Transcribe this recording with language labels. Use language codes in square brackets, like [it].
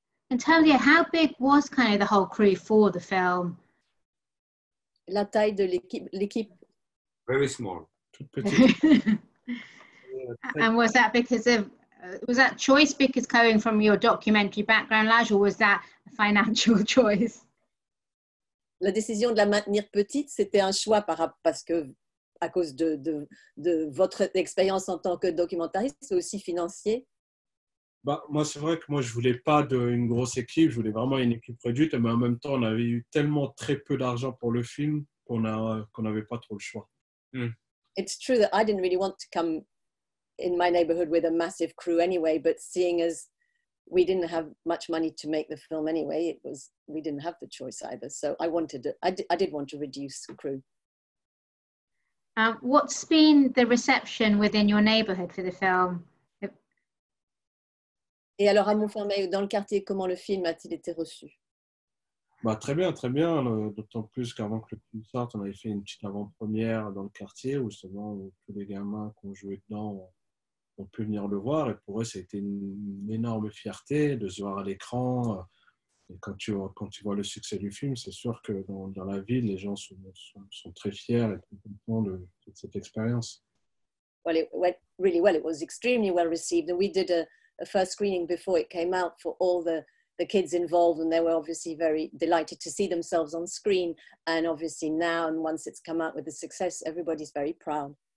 [en] And tell me, how big was kind of the whole crew for the film? [fr] La taille de l'équipe. [en] Very small. [fr] Toute petite. [en] And was that because of, was that choice because coming from your documentary background, Ladj, or was that a financial choice? [fr] La décision de la maintenir petite, c'était un choix parce que à cause de votre expérience en tant que documentariste, c'est aussi financier. Bah, moi, c'est vrai que moi, je ne voulais pas une grosse équipe. Je voulais vraiment une équipe réduite. Mais en même temps, on avait eu tellement très peu d'argent pour le film qu'on n'avait pas trop le choix. Mm. [en] It's true that I didn't really want to come in my neighborhood with a massive crew anyway. But seeing as we didn't have much money to make the film anyway, we didn't have the choice either. So I did want to reduce the crew. What's been the reception within your neighborhood for the film? [fr] Et alors à Montfermeil, dans le quartier, comment le film a-t-il été reçu? Bah, très bien, d'autant plus qu'avant que le film sorte, on avait fait une petite avant-première dans le quartier où justement tous les gamins qui ont joué dedans ont pu venir le voir. Et pour eux, ça a été une énorme fierté de se voir à l'écran. Et quand tu vois le succès du film, c'est sûr que dans la ville, les gens sont très fiers et très contents de cette expérience. [en] Well, it went really well. It was extremely well received. And we did a first screening before it came out for all the kids involved, and they were obviously very delighted to see themselves on screen. And obviously now, and once it's come out with the success, everybody's very proud.